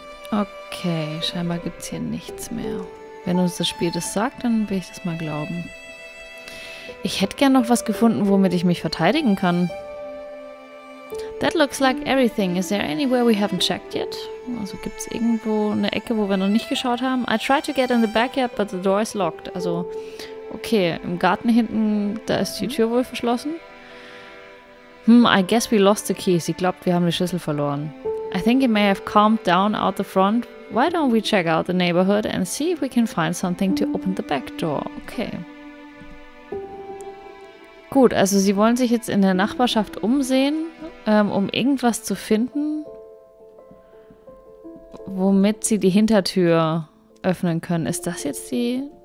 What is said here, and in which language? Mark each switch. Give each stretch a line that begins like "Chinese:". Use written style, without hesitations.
German: Okay, scheinbar gibt es hier nichts mehr. Wenn uns das Spiel das sagt, dann will ich das mal glauben. Ich hätte gern noch was gefunden, womit ich mich verteidigen kann.
English: That looks like everything. Is there anywhere we haven't checked yet?
German: Also gibt's irgendwo eine Ecke, wo wir noch nicht geschaut haben?
English: I tried to get in the backyard, but the door is locked.
German: Also, okay, im Garten hinten, da ist die Tür wohl verschlossen.
English: I guess we lost the keys.
German: Ich glaube, wir haben die Schlüssel verloren.
English: I think it may have calmed down out the front. Why don't we check out the neighborhood and see if we can find something to open the back door? Okay.
German: Gut, also sie wollen sich jetzt in der Nachbarschaft umsehen, um irgendwas zu finden, womit sie die Hintertür öffnen können. Ist das jetzt die...